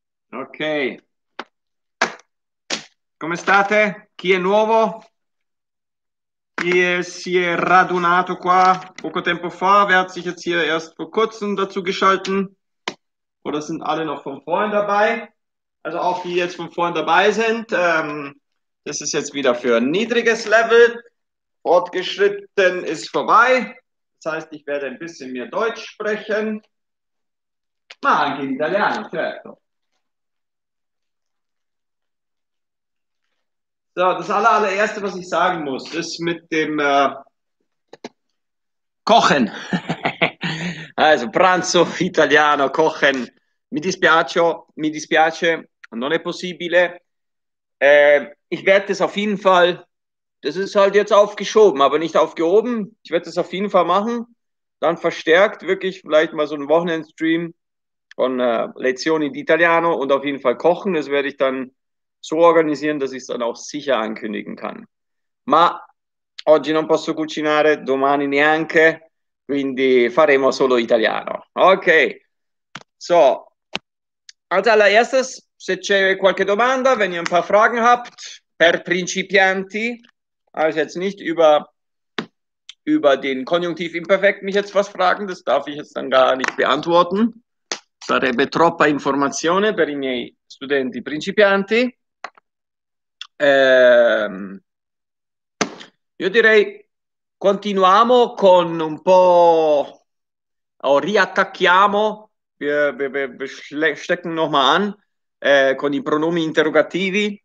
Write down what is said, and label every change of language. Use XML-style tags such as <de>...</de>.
<it>Ok. Come state? Chi è nuovo? Chi è, si è radunato qua poco tempo fa?</it> <de>Wer hat sich jetzt hier erst vor kurzem dazu geschalten? Oder sind alle noch von vorhin dabei? Also auch die jetzt von vorhin dabei sind, das ist jetzt wieder für ein niedriges Level. Fortgeschritten ist vorbei. Das heißt, ich werde ein bisschen mehr Deutsch sprechen.</de> <it>Ma anche in italiano, certo.</it> <de>So, das allererste, was ich sagen muss, ist mit dem Kochen. Also</de> <it>pranzo italiano,</it> <de>kochen.</de> <it>Mi dispiace, non è possibile.</it> <de>Ich werde das auf jeden Fall, das ist halt jetzt aufgeschoben, aber nicht aufgehoben. Ich werde das auf jeden Fall machen. Dann verstärkt wirklich vielleicht mal so ein Wochenendstream von Lezioni di Italiano und auf jeden Fall kochen. Das werde ich dann so organisieren, dass ich es dann auch sicher ankündigen kann.</de> <it>Ma oggi non posso cucinare, domani neanche, quindi faremo solo italiano.</it> <de>Okay, so, als allererstes,</de> <it>se c'è qualche domanda,</it> <de>wenn ihr ein paar Fragen habt,</de> <it>per principianti,</it> <de>also jetzt nicht über den Konjunktiv Imperfekt mich jetzt was fragen, das darf ich jetzt dann gar nicht beantworten.</de> <it>Sarebbe troppa informazione per i miei studenti principianti. Io direi continuiamo con un po' o riattacchiamo</it> <de>wir stecken nochmal an</de> <it>con i pronomi interrogativi</it>